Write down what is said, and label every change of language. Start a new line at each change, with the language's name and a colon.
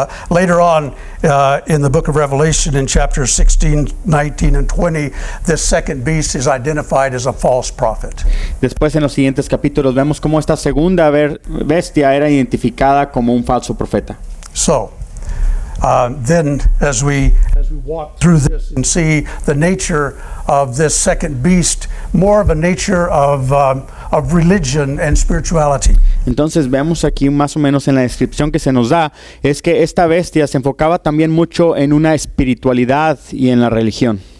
English: Later on in the book of Revelation in chapters 16, 19 and 20, this second beast is identified as a false prophet.
Spanish: Después en los siguientes capítulos vemos cómo esta segunda bestia era identificada como un falso profeta.
English: So then as we walk through this and see the nature of this second beast, more of a nature of religion and spirituality.
Spanish: Entonces vemos aquí más o menos en la descripción que se nos da es que esta bestia se enfocaba también mucho en una espiritualidad y en la religión.